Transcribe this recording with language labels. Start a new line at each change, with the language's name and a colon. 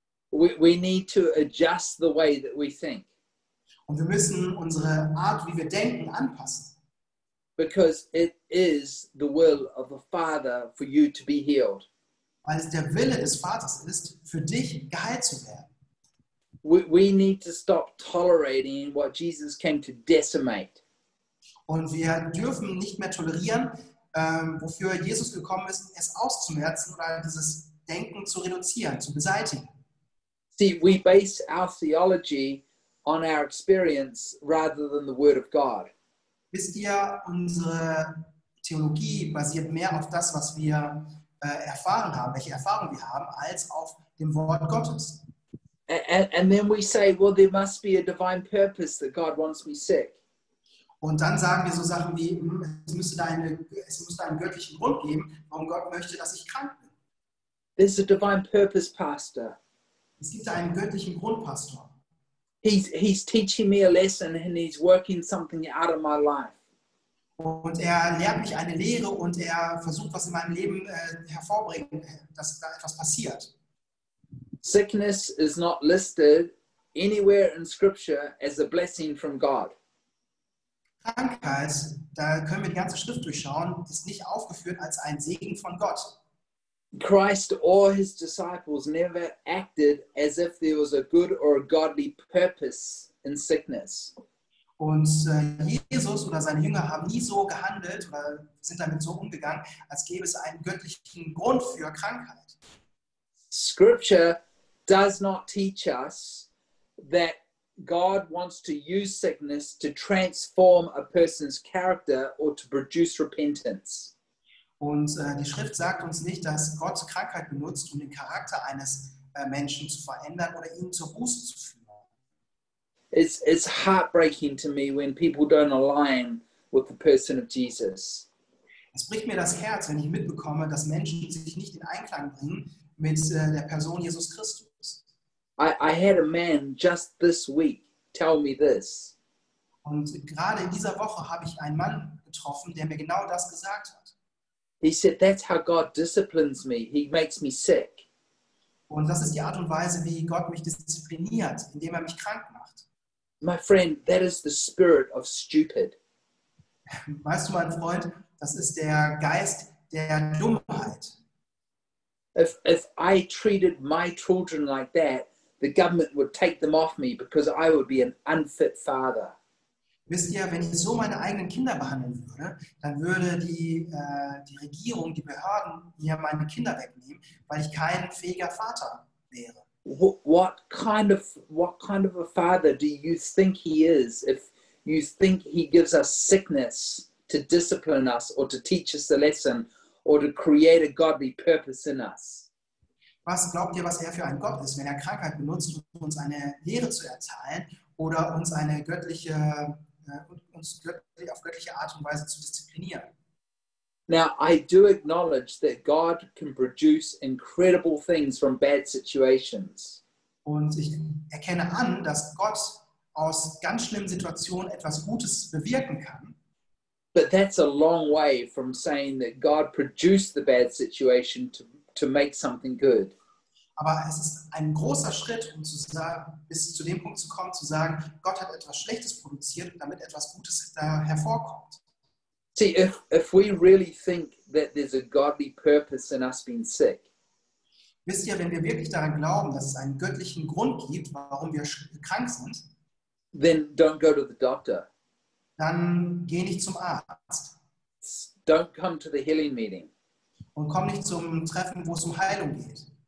English: We need to adjust the way that we think.
German: Und wir müssen unsere Art, wie wir denken, anpassen.
English: Because it is the will of the Father for you to be healed.
German: Weil es der Wille des Vaters ist, für dich geheilt zu werden.
English: We need to stop tolerating what Jesus came to decimate.
German: Und wir dürfen nicht mehr tolerieren, wofür Jesus gekommen ist, es auszumerzen oder dieses Denken zu reduzieren, zu beseitigen.
English: See, we base our theology on our experience rather than the Word of God.
German: Wisst ihr, unsere Theologie basiert mehr auf das, was wir erfahren haben, welche Erfahrungen wir haben, als auf dem Wort Gottes.
English: And then we say, well, there must be a divine purpose that God wants me sick.
German: Und dann sagen wir so Sachen wie, es müsste einen göttlichen Grund geben, warum Gott möchte, dass ich krank bin.
English: There's a divine purpose, Pastor.
German: Es gibt einen göttlichen Grund, Pastor.
English: He's teaching me a lesson and he's working something out of my life.
German: Und er lehrt mich eine Lehre und er versucht, was in meinem Leben hervorbringen, dass da etwas passiert.
English: Sickness is not listed anywhere in Scripture as a blessing from God.
German: Krankheit, da können wir die ganze Schrift durchschauen, ist nicht aufgeführt als ein Segen von Gott.
English: Christ or his disciples never acted as if there was a good or a godly purpose in sickness.
German: Und Jesus oder seine Jünger haben nie so gehandelt oder sind damit so umgegangen, als gäbe es einen göttlichen Grund für Krankheit.
English: Scripture does not teach us that God wants to use sickness to transform a person's character or to produce repentance.
German: Und die Schrift sagt uns nicht, dass Gott Krankheit benutzt, um den Charakter eines Menschen zu verändern oder ihn zur Buße zu führen.
English: It's heartbreaking to me when people don't align with the person of Jesus.
German: Es bricht mir das Herz, wenn ich mitbekomme, dass Menschen sich nicht in Einklang bringen mit der Person Jesus Christus.
English: I had a man just this week tell me this.
German: Und gerade in dieser Woche habe ich einen Mann getroffen, der mir genau das gesagt hat.
English: He said, "That's how God disciplines me. He makes me sick."
German: Und das ist die Art und Weise, wie Gott mich diszipliniert, indem er mich krank macht.
English: My friend, that is the spirit of stupid.
German: Weißt du, mein Freund, das ist der Geist der Dummheit.
English: If I treated my children like that, the government would take them off me because I would be an unfit father.
German: Wisst ihr, wenn ich so meine eigenen Kinder behandeln würde, dann würde die Regierung, die Behörden mir meine Kinder wegnehmen, weil ich kein fähiger Vater wäre.
English: What kind of a father do you think he is if you think he gives us sickness to discipline us or to teach us a lesson or to create a godly purpose in us?
German: Was glaubt ihr, was er für ein Gott ist, wenn er Krankheit benutzt, um uns eine Lehre zu erteilen oder uns eine göttliche uns auf göttliche Art und Weise zu disziplinieren?
English: Now, I do acknowledge that God can produce incredible things from bad situations.
German: Und ich erkenne an, dass Gott aus ganz schlimmen Situationen etwas Gutes bewirken kann.
English: But that's a long way from saying that God produced the bad situation to make something good.
German: Aber es ist ein großer Schritt, um zu sagen, bis zu dem Punkt zu kommen, zu sagen, Gott hat etwas Schlechtes produziert, damit etwas Gutes da hervorkommt.
English: See, if we really think that there's a godly purpose in us being sick.
German: Wisst ihr, wenn wir wirklich daran glauben, dass es einen göttlichen Grund gibt, warum wir krank sind,
English: then don't go to the doctor.
German: Dann geh nicht zum Arzt.
English: Don't come to the healing meeting.
German: Und komm nicht zum Treffen, wo es um Heilung geht.